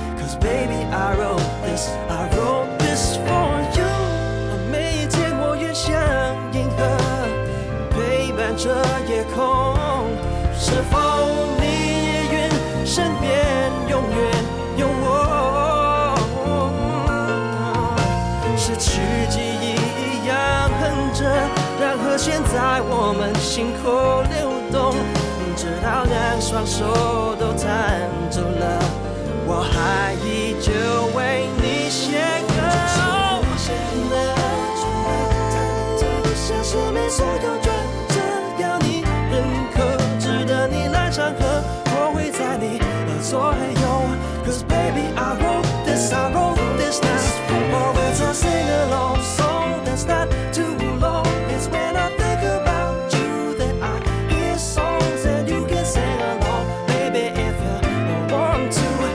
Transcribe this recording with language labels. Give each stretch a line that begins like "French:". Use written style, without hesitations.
English: Cause baby I wrote this, I wrote this for you。
Chinese: 每一天我越像银河陪伴着夜空，是否你也愿身边永远有我，失去记忆一样哼着，让和弦在我们心口流动，直到两双手都弹走了，我还依旧为你写歌。我写的充满忐忑，像生命所有转折，要你认可，值得你来唱和，我会在你的左右。
English: Cause baby I wrote this, I wrote this now。 Sing along, so that's not too long. It's when I think about you that I hear songs, and you can sing along, baby, if you want to.